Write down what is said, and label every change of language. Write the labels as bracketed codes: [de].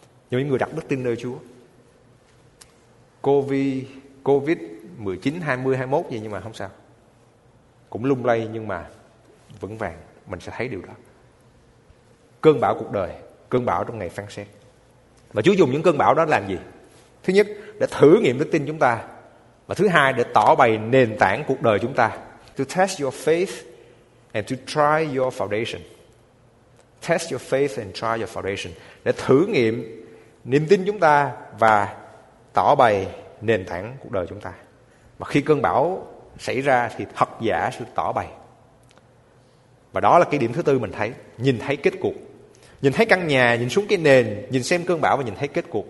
[vi] Nhưng những người đặt đức tin nơi Chúa, Covid-19, 20, 21 gì, nhưng mà không sao, cũng lung lay nhưng mà vững vàng. Mình sẽ thấy điều đó. Cơn bão cuộc đời, cơn bão trong ngày phán xét. Và Chúa dùng những cơn bão đó làm gì? Thứ nhất, để thử nghiệm đức tin chúng ta. Và thứ hai, để tỏ bày nền tảng cuộc đời chúng ta. [en] To test your faith and to try your foundation. Test your faith and try your foundation. [vi] Để thử nghiệm niềm tin chúng ta và tỏ bày nền tảng cuộc đời chúng ta. Mà khi cơn bão xảy ra thì thật giả sẽ tỏ bày. Và đó là cái điểm thứ tư mình thấy. Nhìn thấy kết cục. Nhìn thấy căn nhà, nhìn xuống cái nền, nhìn xem cơn bão và nhìn thấy kết cục.